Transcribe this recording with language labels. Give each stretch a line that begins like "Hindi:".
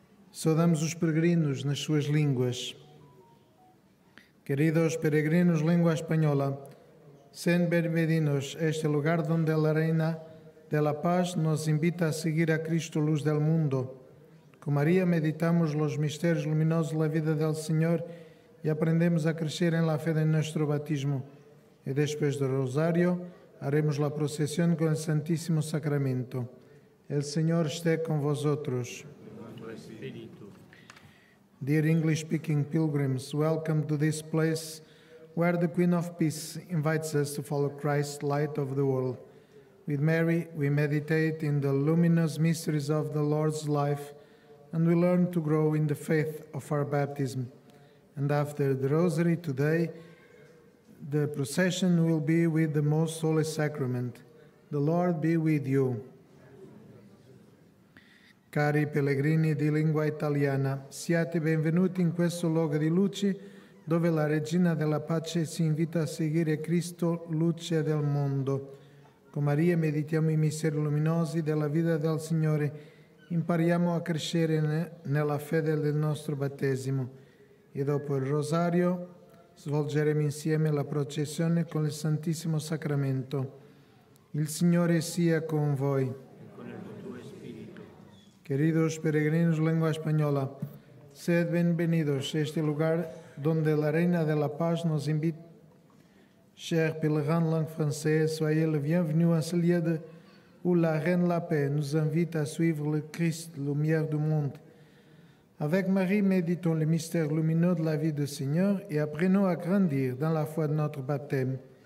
Portuguese: Saudamos os peregrinos nas suas línguas. Queridos peregrinos, língua espanhola,
Spanish: sean bienvenidos a este lugar donde la Reina de la Paz nos invita a seguir a Cristo, luz del mundo.
Portuguese: Com Maria meditamos os mistérios luminosos da vida do Senhor e aprendemos a crescer em
Spanish: la
Portuguese: fé de nosso batismo. E depois do rosário,
Spanish: haremos
Portuguese: a procissão com o Santíssimo Sacramento. O Senhor esteja com vós.
English: Dear English-speaking pilgrims, welcome to this place where the Queen of Peace invites us to follow Christ, light of the world. With Mary, we meditate in the luminous mysteries of the Lord's life, and we learn to grow in the faith of our baptism. And after the rosary today, the procession will be with the most holy sacrament. The Lord be with you.
Italian: Cari pellegrini di lingua italiana, siate benvenuti in questo luogo di luce, dove la Regina della Pace si invita a seguire Cristo, luce del mondo. Con Maria meditiamo i misteri luminosi della vita del Signore, impariamo a crescere nella fede del nostro battesimo e dopo il rosario svolgeremo insieme la processione con il Santissimo Sacramento. Il Signore sia con voi.
Spanish: Queridos peregrinos, lengua española, sed bienvenidos a este lugar donde la Reina de la Paz nos invita.
French: Cher pèlerin langue française, soyez le bienvenu en ce lieu de où la Reine la Paix nous invite à suivre le Christ, lumière du monde. Avec Marie, méditons les mystères lumineux de la vie du Seigneur et apprenons à grandir dans la foi de notre baptême.